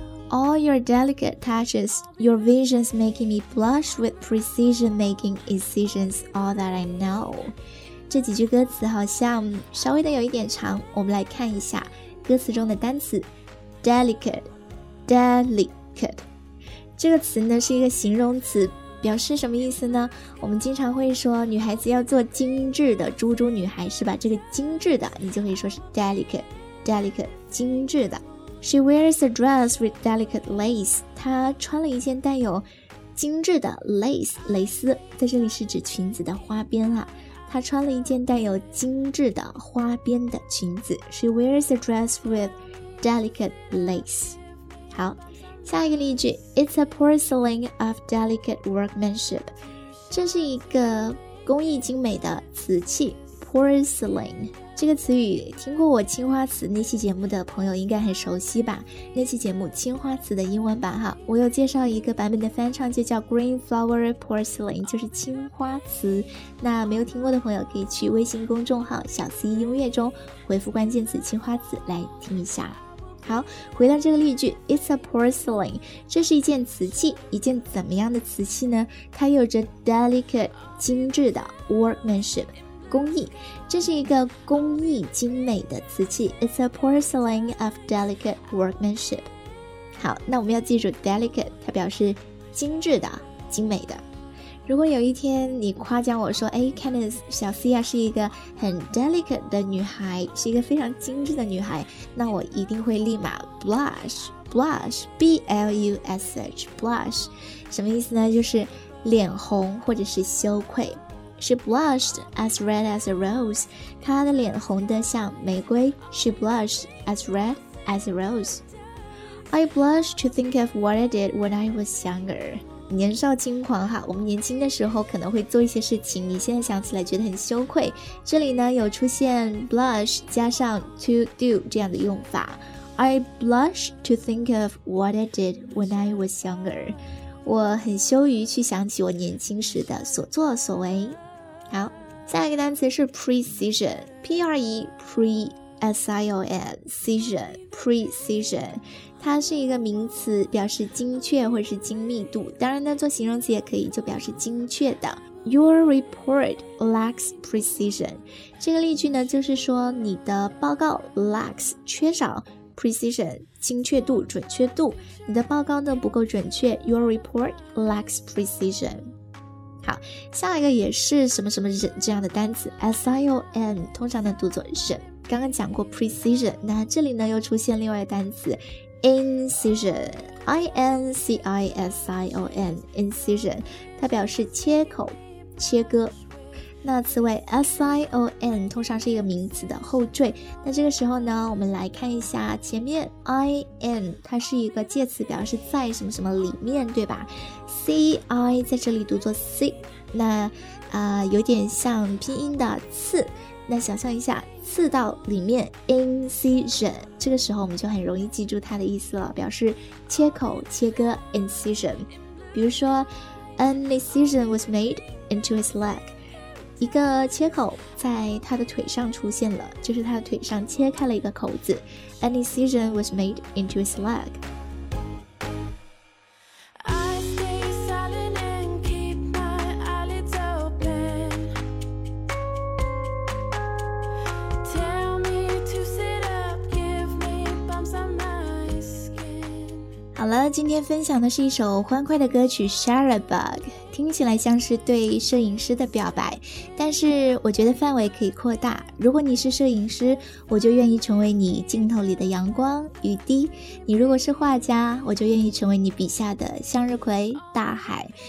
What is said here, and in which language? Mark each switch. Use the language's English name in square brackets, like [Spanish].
[English] All your delicate touches, your visions making me blush with precision, making incisions all that I know. [Chinese] 这几句歌词好像稍微的有一点长，我们来看一下歌词中的单词 delicate, delicate。这个词呢是一个形容词，表示什么意思呢？我们经常会说女孩子要做精致的猪猪女孩，是吧？这个精致的你就可以说是 delicate, delicate, 精致的。 [English] She wears a dress with delicate lace. [Chinese] 她穿了一件带有精致的 lace, 蕾丝，在这里是指裙子的花边啊。她穿了一件带有精致的花边的裙子。 [English] She wears a dress with delicate lace. [Chinese] 好，下一个例句， [English] It's a porcelain of delicate workmanship. [Chinese] 这是一个工艺精美的瓷器， porcelain。这个词语听过我青花瓷那期节目的朋友应该很熟悉吧，那期节目青花瓷的英文版哈，我有介绍一个版本的翻唱，就叫 green flower porcelain, 就是青花瓷。那没有听过的朋友可以去微信公众号小 C 音乐中回复关键词青花瓷来听一下。好，回到这个例句， [English] It's a porcelain, [Chinese] 这是一件瓷器。一件怎么样的瓷器呢？它有着 delicate, 精致的 workmanship, 工艺。这是一个工艺精美的瓷器， [English] It's a porcelain of delicate workmanship。 [Chinese] 好，那我们要记住 delicate, 它表示精致的，精美的。如果有一天你夸奖我说，哎 Candice, 小 C 啊是一个很 delicate 的女孩，是一个非常精致的女孩，那我一定会立马 blush, blush, 什么意思呢？就是脸红或者是羞愧。 [English] She blushed as red as a rose, [Chinese] 她的脸红得像玫瑰。 [English] She blushed as red as a rose. I blush to think of what I did when I was younger. [Chinese] 年少轻狂哈，我们年轻的时候可能会做一些事情，你现在想起来觉得很羞愧。这里呢有出现 blush 加上 to do 这样的用法。 [English] I blush to think of what I did when I was younger. [Chinese] 我很羞于去想起我年轻时的所作所为。好，下一个单词是 precision, P-R-E, pre-S-I-O-N, cision, precision,它是一个名词，表示精确或是精密度。当然呢，做形容词也可以，就表示精确的。 [English] Your report lacks precision. [Chinese] 这个例句呢，就是说你的报告 lacks, 缺少 precision, 精确度、准确度。你的报告呢不够准确。 [English] Your report lacks precision. [Chinese] 好，下一个也是什么什么忍这样的单词 ,S-I-O-N, 通常呢读作忍。刚刚讲过 precision, 那这里呢又出现另外的单词 incision,I-N-C-I-S-I-O-N, incision, 它表示切口、切割。那此外 ,S-I-O-N, 通常是一个名词的后缀。那这个时候呢我们来看一下前面 ,I-N, 它是一个介词，表示在什么什么里面，对吧？ C-I 在这里读作 C, 那有点像拼音的刺。那想象一下，刺到里面 ,incision, 这个时候我们就很容易记住它的意思了，表示切口、切割 ,incision。比如说 [English] ,an incision was made into his leg. [Chinese] 一个切口在他的腿上出现了，就是他的腿上切开了一个口子。 [English] An incision was made into his leg. I stay silent and keep my eyelids open. Tell me to sit up, give me bumps on my skin. [Chinese] 好了，今天分享的是一首欢快的歌曲 Shutterbug。听起来像是对摄影师的表白，但是我觉得范围可以扩大。如果你是摄影师，我就愿意成为你镜头里的阳光、雨滴。你如果是画家，我就愿意成为你笔下的向日葵、大海。